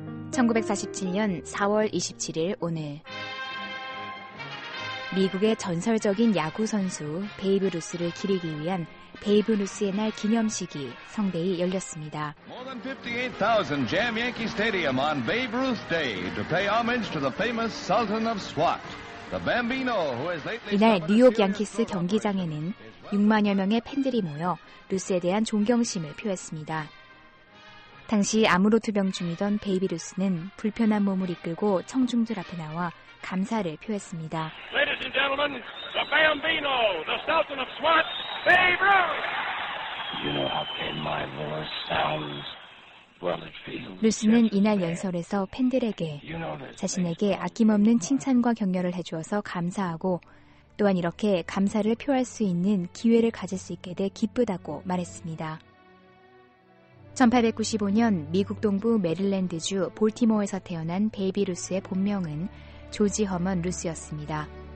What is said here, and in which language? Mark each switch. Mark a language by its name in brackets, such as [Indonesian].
[Korean] 1947년 4월 27일 오늘. 미국의 전설적인 야구 선수 베이브 루스를 기리기 위한 베이브 루스의 날 기념식이 성대히 열렸습니다. [English] More than 58,000 jam Yankee Stadium on Babe Ruth Day to pay homage to the famous Sultan of SWAT. The Bambino who has lately [Korean] 이날 뉴욕 양키스 경기장에는 6만여 명의 팬들이 모여 루스에 대한 존경심을 표했습니다. 당시 암으로 투병 중이던 베이비 루스는 불편한 몸을 이끌고 청중들 앞에 나와 감사를 표했습니다. [English] Ladies and gentlemen, the Bambino, the Sultan of SWAT, Babe Ruth. You know how thin my voice sounds. [Korean] 루스는 이날 연설에서 팬들에게 자신에게 아낌없는 칭찬과 격려를 해주어서 감사하고 또한 이렇게 감사를 표할 수 있는 기회를 가질 수 있게 돼 기쁘다고 말했습니다. 1895년 미국 동부 메릴랜드주 볼티모어에서 태어난 베이비 루스의 본명은 조지 허먼 루스였습니다.